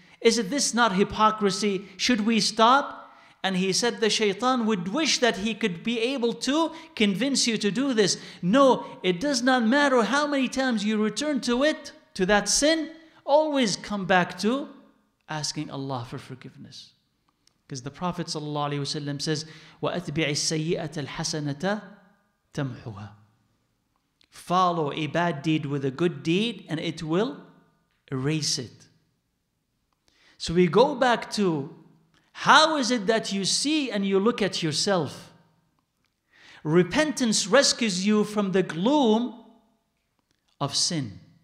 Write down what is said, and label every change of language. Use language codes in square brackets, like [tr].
[en] Is it this not hypocrisy? Should we stop? And he said, the shaitan would wish that he could be able to convince you to do this. No, it does not matter how many times you return to it, to that sin. Always come back to asking Allah for forgiveness. Because the Prophet ﷺ says, [ar] وَأَتْبِعِ السَّيِّئَةَ الْحَسَنَةَ تَمْحُهَا. [en] Follow a bad deed with a good deed and it will erase it. So we go back to, how is it that you see and you look at yourself? Repentance rescues you from the gloom of sin.